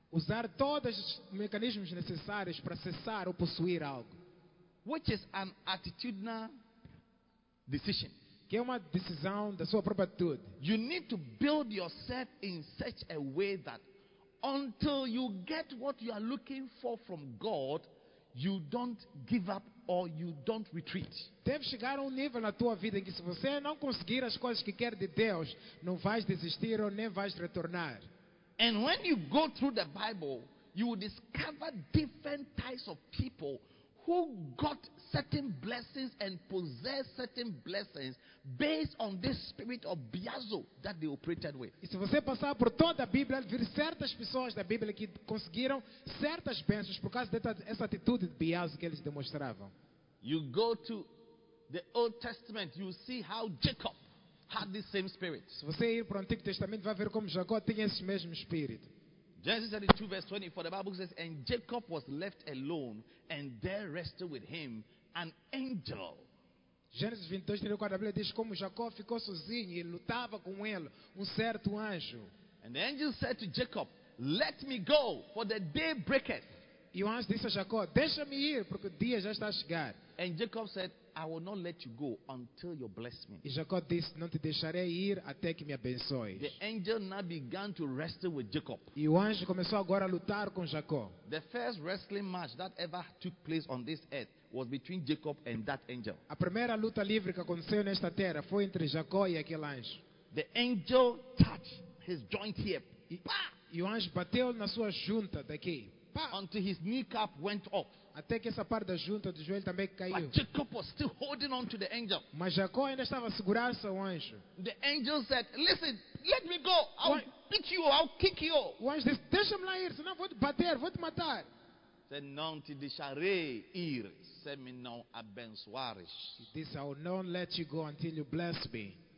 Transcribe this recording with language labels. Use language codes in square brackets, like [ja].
[pt] Usar todos os mecanismos necessários para acessar ou possuir algo. [en] Which is an attitudinal decision. [pt] Que é uma decisão da sua própria atitude. [en] You need to build yourself in such a way that until you get what you are looking for from God, you don't give up or you don't retreat. [pt] Deve chegar a um nível na tua vida em que se você não conseguir as coisas que quer de Deus, não vais desistir ou nem vais retornar. [en] And when you go through the Bible, you will discover different types of people who got certain blessings and possessed certain blessings based on this spirit of Beazo that they operated with. [pt] E se você passar por toda a Bíblia, ver certas pessoas da Bíblia que conseguiram certas bênçãos por causa dessa atitude de Beazo que eles demonstravam. [en] You go to the Old Testament, you see how Jacob had this same spirit. [pt] Se você ir para o Antigo Testamento, vai ver como Jacó tinha esse mesmo espírito. [en] Genesis 32 verse 20, for the Bible says, and Jacob was left alone, and there rested with him an angel. [pt] Genesis 22, 24, a Bíblia diz como Jacó ficou sozinho e lutava com ele, um certo anjo. [en] And the angel said to Jacob, let me go, for the day breaketh. [pt] E o anjo disse a Jacó, deixa-me ir, porque o dia já está a chegar. [en] And Jacob said, I will not let you go until you bless me. [pt] E Jacó disse, não te deixarei ir até que me abençoes. [en] The angel now began to wrestle with Jacob. [pt] E o anjo começou agora a lutar com Jacó. [en] The first wrestling match that ever took place on this earth was between Jacob and that angel. [pt] A primeira luta livre que aconteceu nesta terra foi entre Jacó e aquele anjo. [en] The angel touched his joint here. [pt] E o anjo bateu na sua junta daqui. [en] Until his kneecap went off. [pt] Até que essa parte da junta do joelho também caiu. [en] But Jacob was still holding on to the angel. [pt] Mas Jacó ainda estava a segurar-se ao anjo. [en] The angel said, listen, let me go. I'll beat you, I'll kick you. [pt] O anjo disse, deixa-me lá ir, senão vou te bater, vou te matar. [en] Said, [pt] non te deixarei ir, se me não abençoares. [en] He [pt] disse, [en] I will not let you go until you bless me.